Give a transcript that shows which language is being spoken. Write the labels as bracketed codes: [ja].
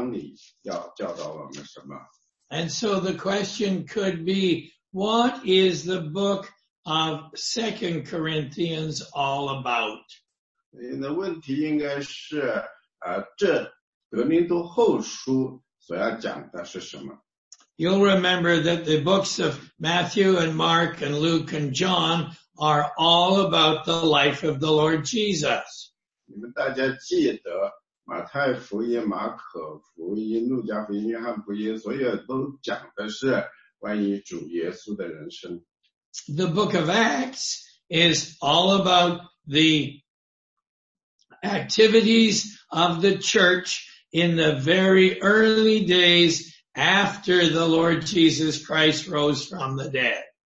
[zh] 我自己问我自己一个问题，当我学习的时候，就是神特别的在这一章里要教导我们什么。 [en] And so the question could be, what is the book of 2 Corinthians all about? [zh] 你的问题应该是，这格林多后书所要讲的是什么？ [en] You'll remember that the books of Matthew and Mark and Luke and John are all about the life of the Lord Jesus. [zh] 你们大家记得马太福音、马可福音、路加福音、约翰福音，所有都讲的是关于主耶稣的人生。 [en] The book of Acts is all about the activities of the church in the very early days after the Lord Jesus Christ rose from the dead.